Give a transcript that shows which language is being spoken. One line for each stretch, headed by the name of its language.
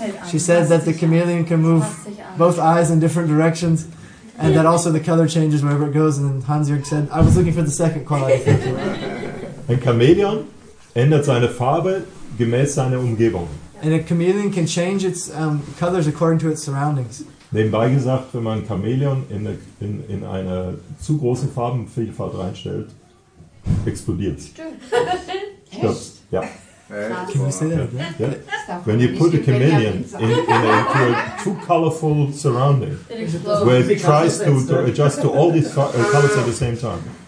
English: She said that the chameleon can move both eyes in different directions. And that also the color changes wherever it goes. And Hans-Jürg said, I was looking for the second quality factor.
German: Ein Chamäleon ändert seine Farbe gemäß seiner Umgebung.
English: And a chameleon can change its colors according to its surroundings.
German: Nebenbei gesagt, wenn man ein Chamäleon in eine zu große Farbenvielfalt reinstellt, explodiert. Stimmt. Ja.
English: Can you say that again? Yeah. When you put a chameleon into a too colorful surrounding, where it tries to adjust to all these colors at the same time.